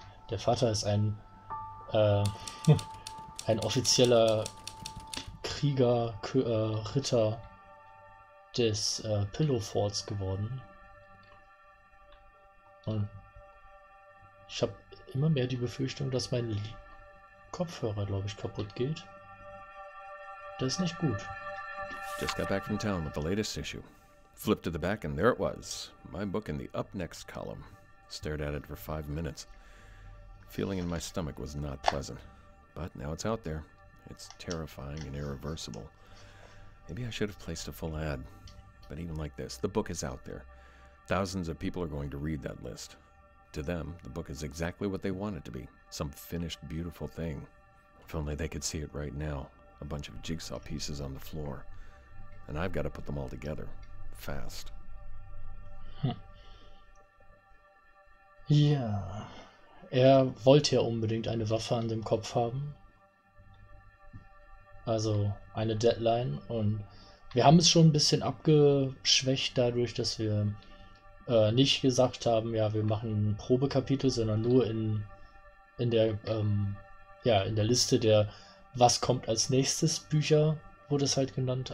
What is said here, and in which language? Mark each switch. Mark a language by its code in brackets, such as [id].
[de] Der Vater ist ein offizieller Krieger, Ritter des Pillow Forts geworden. Und ich habe immer mehr die Befürchtung, dass mein Kopfhörer, glaube ich, kaputt geht. Das ist nicht gut. [en] Just got back from town with the latest issue. Flipped to the back and there it was. My book in the up next column. Stared at it for 5 minutes. Feeling in my stomach was not pleasant. But now it's out there. It's terrifying and irreversible. Maybe I should have placed a full ad. But even like this, the book is out there. Thousands of people are going to read that list. To them, the book is exactly what they want it to be. Some finished, beautiful thing. If only they could see it right now. A bunch of jigsaw pieces on the floor. And I've got to put them all together. Fast. [de] Ja, er wollte ja unbedingt eine Waffe an dem Kopf haben. Also eine Deadline. Und wir haben es schon ein bisschen abgeschwächt dadurch, dass wir nicht gesagt haben, ja, wir machen ein Probekapitel, sondern nur in der Liste der Was kommt als nächstes Bücher wurde es halt genannt.